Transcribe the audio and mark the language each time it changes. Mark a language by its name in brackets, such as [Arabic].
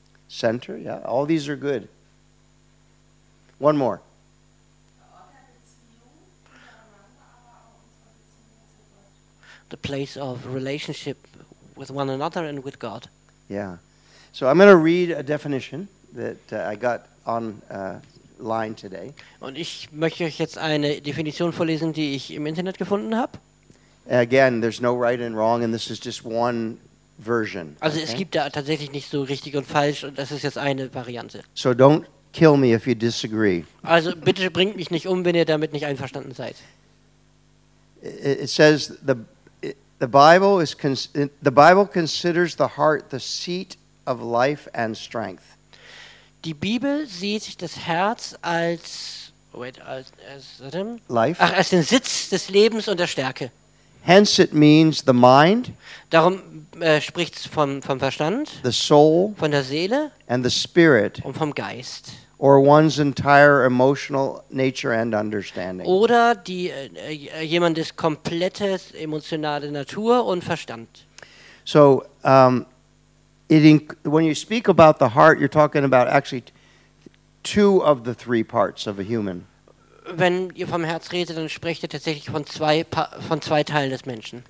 [English] Center, yeah. All these are good. One more. The place of relationship with one another and with God. Yeah. So I'm going to read a definition that I got on line today. [German] Und ich möchte euch jetzt eine Definition vorlesen, die ich im Internet gefunden habe. [English] Again, there's no right and wrong, and this is just one version. [German] Also okay? Es gibt da tatsächlich nicht so richtig und falsch, und das ist jetzt eine Variante. [English] So don't kill me if you disagree. [German] Also bitte bringt mich nicht um, wenn ihr damit nicht einverstanden seid. [English] It says the Bible considers the heart the seat of life and strength. [German] Die Bibel sieht das Herz als, [English] wait, [German] als [English] life. [German] Ach, als den Sitz des Lebens und der Stärke. [English] Hence it means the mind. [German] Darum spricht es vom Verstand. [English] The soul. [German] Von der Seele. [English] And the spirit. [German] Und vom Geist. [English] Or one's entire emotional nature and understanding. [German] Oder die jemandes komplettes emotionale Natur und Verstand. [English] So, when you speak about the heart, you're talking about actually two of the three parts of a human. [German] Wenn ihr vom Herz redet, dann sprecht ihr tatsächlich von zwei Teilen des Menschen.